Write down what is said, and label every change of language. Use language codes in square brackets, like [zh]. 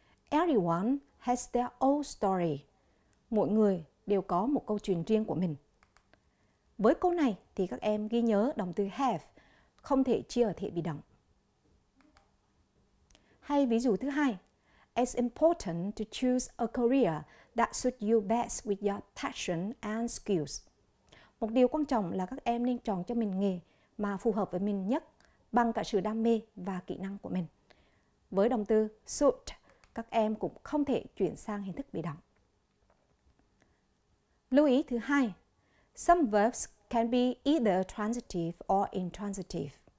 [en] Everyone has their own story. [vi] Mỗi người đều có một câu chuyện riêng của mình. Với câu này thì các em ghi nhớ động từ have không thể chia ở thể bị động. Hay ví dụ thứ hai, [en] it's important to choose a career that suits you best with your passion and skills. [vi] Một điều quan trọng là các em nên chọn cho mình nghề mà phù hợp với mình nhất bằng cả sự đam mê và kỹ năng của mình. Với động từ suit, các em cũng không thể chuyển sang hình thức bị động. Lưu ý thứ hai, [en] some verbs can be either transitive or intransitive.